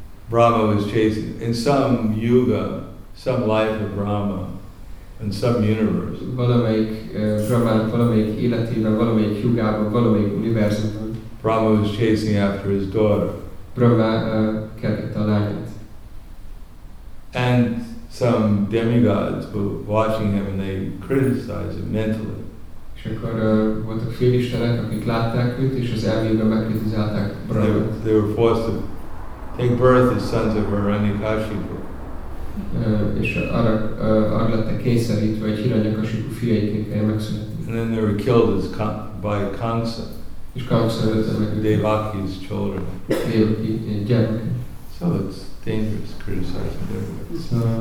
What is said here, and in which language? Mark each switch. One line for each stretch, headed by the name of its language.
English: Brahma was chasing. In some yuga, some life of Brahma, in some universe.
Hungarian: Valamelyik életében, valamelyik yugában, valamelyik univerzumban.
English: Brahma was chasing after his daughter.
Hungarian: Brahma kergette a lányát.
English: And some demigods were watching him and they criticized him mentally.
Hungarian: És akkor voltak félistenek, akik látták őt, és az elmében megkritizálták Brahmát.
English: They were forced to take birth as sons of Hiranyakashipu.
Hungarian: És arra lettek kényszerítve, hogy Hiranyakashipu fiaiként kell megszületni.
English: And then they were killed by Kamsa.
Hungarian: És Kamsa ölte meg
English: Devaki's children.
Hungarian: Devaki gyermek.
English: So it's dangerous criticizing their work.